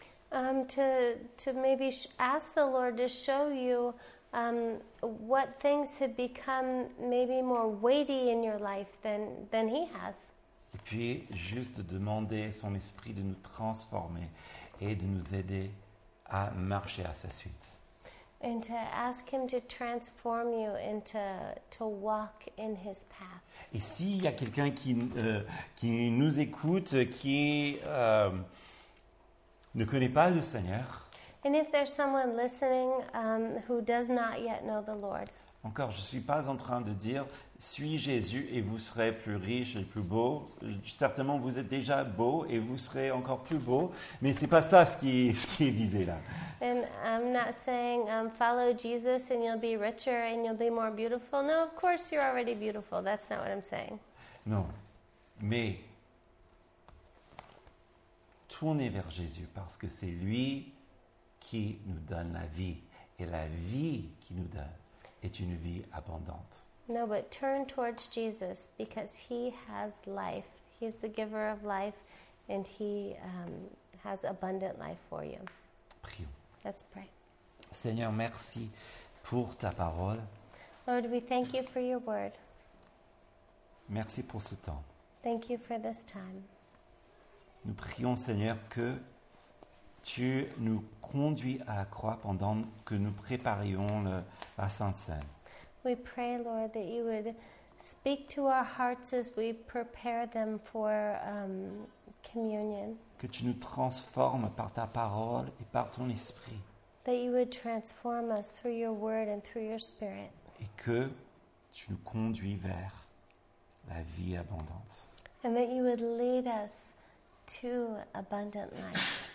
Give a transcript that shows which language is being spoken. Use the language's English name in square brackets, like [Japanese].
[English] To maybe ask the Lord to show you what things have become maybe more weighty in your life than he has. [French] Et puis juste de demander son esprit de nous transformer et de nous aider à marcher à sa suite. [English] And to ask him to transform you and to walk in his path. [French] Et s'il y a quelqu'un qui nous écoute, qui ne connaît pas le Seigneur. [English] And if there's someone listening who does not yet know the Lord. [French] Encore, je ne suis pas en train de dire, suis Jésus et vous serez plus riche et plus beau. Certainement, vous êtes déjà beau et vous serez encore plus beau. Mais ce n'est pas ça ce qui est visé là. [English] And I'm not saying, follow Jesus and you'll be richer and you'll be more beautiful. No, of course, you're already beautiful. That's not what I'm saying. [French] Non, mais tournez vers Jésus parce que c'est lui qui nous donne la vie. Et la vie qui nous donne est une vie abondante. [English] No, but turn towards Jesus because he has life. He is the giver of life and he has abundant life for you. [French] Prions. [English] Let's pray. [French] Seigneur, merci pour ta parole. [English] Lord, we thank you for your word. [French] Merci pour ce temps. [English] Thank you for this time. [French] Nous prions, Seigneur, que tu nous conduis à la croix pendant que nous préparions la Sainte Cène. [English] We pray, Lord, that you would speak to our hearts as we prepare them for communion. [French] Que tu nous transformes par ta parole et par ton esprit. [English] That you would transform us through your word and through your spirit. [French] Et que tu nous conduis vers la vie abondante. [English] And that you would lead us to abundant life.